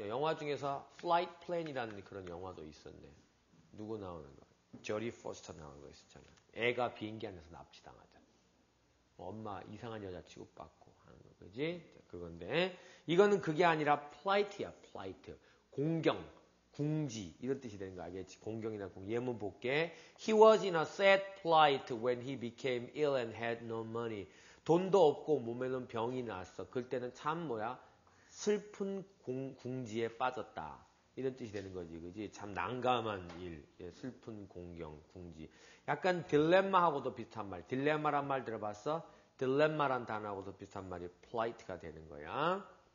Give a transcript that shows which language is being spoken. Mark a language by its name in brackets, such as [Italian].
[Korean] 영화 중에서 flight plan이라는 그런 영화도 있었네. 누구 나오는 거? 조디 포스터 나오는 거 있었잖아. 애가 비행기 안에서 납치당하잖아. 엄마 이상한 여자 취급받고 하는 거 그지? 그건데 이거는 그게 아니라 플라이트야. 플라이트 공경 궁지 이런 뜻이 되는 거 알겠지? 공경이나 궁 예문 볼게. [English] He was in a sad plight when he became ill and had no money. [Korean] 돈도 없고 몸에는 병이 났어. 그럴 때는 참 뭐야 슬픈 궁지에 빠졌다 이런 뜻이 되는 거지 그지? 참 난감한 일. 예, 슬픈 공경 궁지. 약간 딜레마하고도 비슷한 말. 딜레마란 말 들어봤어? 딜레마란 단어하고도 비슷한 말이 플라이트가 되는 거야.